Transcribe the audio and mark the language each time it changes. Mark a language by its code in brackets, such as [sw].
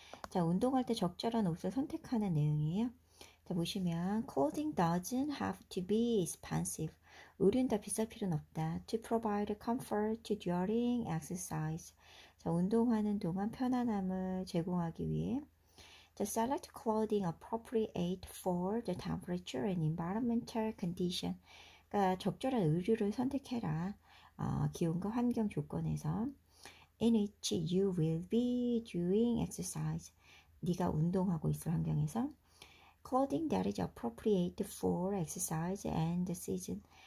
[ko] 자, 운동할 때 적절한 옷을 선택하는 내용이에요. [en] 자, [ko] 보시면 [en] clothing doesn't have to be expensive. [ko] 의류는 더 비쌀 필요는 없다. [en] To provide comfort during exercise. [ko] 자, 운동하는 동안 편안함을 제공하기 위해. [en] The select clothing appropriate for the temperature and environmental condition. [ko] 그러니까 적절한 의류를 선택해라. 기온과 환경 조건에서. [en] In which you will be doing exercise. [ko] 네가 운동하고 있을 환경에서. [en] Clothing that is appropriate for exercise and the season.